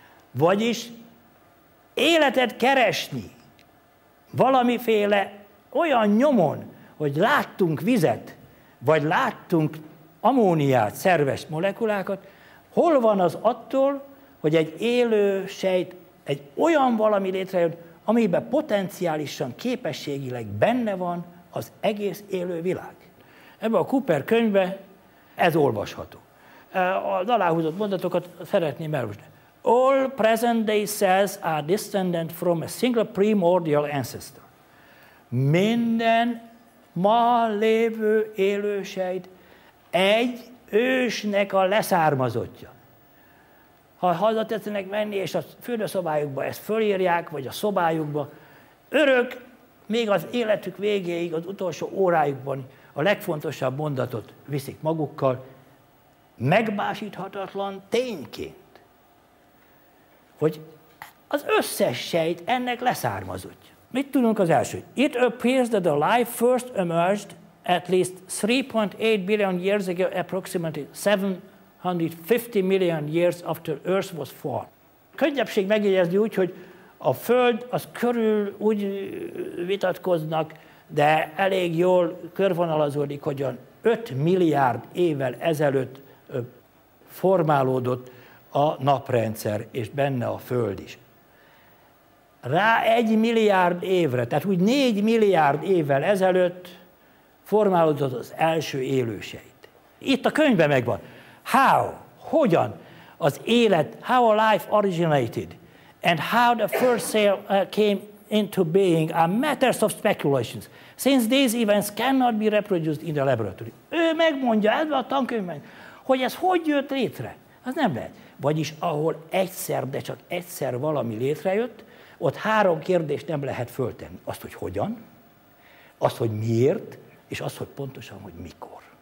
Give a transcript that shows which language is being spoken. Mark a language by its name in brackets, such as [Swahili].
[Hungarian] Vagyis életet keresni valamiféle olyan nyomon, hogy láttunk vizet, vagy láttunk amóniát, szerves molekulákat, hol van az attól, hogy egy élő sejt egy olyan valami létrejön, amiben potenciálisan képességileg benne van az egész élő világ. Ebben a Cooper könyvben ez olvasható. Az aláhúzott mondatokat szeretném elolvasni. [English] All present-day cells are descended from a single primordial ancestor. [Hungarian] Minden ma lévő élő sejt egy ősnek a leszármazottja. Ha hazatetszenek menni, és a fürdőszobájukba ezt fölírják, vagy a szobájukba, örök még az életük végéig, az utolsó órájukban a legfontosabb mondatot viszik magukkal, megmásíthatatlan tényként, hogy az összes sejt ennek leszármazottja. Mit tudunk az első? [English] It appears that the life first emerged at least 3.8 billion years ago, approximately 750 million years after Earth was formed. [Hungarian] Könnyebbség megjegyezni úgy, hogy a Föld az körül úgy vitatkoznak, de elég jól körvonalazódik, hogy 5 milliárd évvel ezelőtt formálódott a naprendszer, és benne a Föld is. Rá 1 milliárd évre, tehát úgy 4 milliárd évvel ezelőtt formálódott az első élősejt. Itt a könyvben megvan. [English] How? [Hungarian] Hogyan? Az élet, [English] how a life originated, and how the first cell came into being are matters of speculations, since these events cannot be reproduced in the laboratory. [Hungarian] Ő megmondja, ez a tankönyvben, hogy ez hogy jött létre. Az nem lehet. Vagyis ahol egyszer, de csak egyszer valami létrejött, ott három kérdést nem lehet föltenni. Azt, hogy hogyan, azt, hogy miért, és azt, hogy pontosan, hogy mikor.